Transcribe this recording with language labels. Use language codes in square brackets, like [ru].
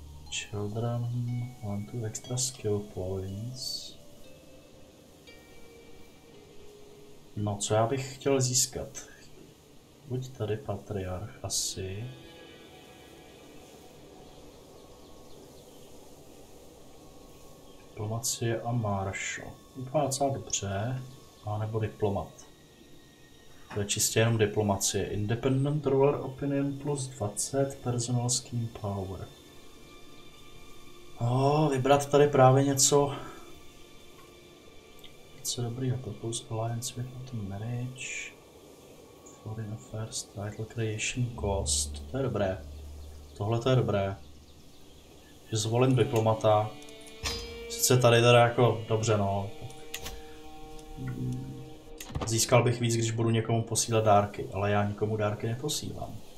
[en] Children want to extra skill points. [cs] No, co já bych chtěl získat? Buď tady patriarch asi. Diplomacie a maršo. Vypadá docela dobře. A nebo diplomat. To je čistě jenom diplomacie. [en] Independent ruler opinion plus 20 personal scheme power. [cs] No, vybrat tady právě něco. Něco dobrýho. [en] Propose alliance with autumn marriage. Foreign affairs, title creation, cost. [cs] To je dobré. Tohle to je dobré. Že zvolím diplomata. se tady teda jako dobře, no. Získal bych víc, když budu někomu posílat dárky, ale já nikomu dárky neposílám.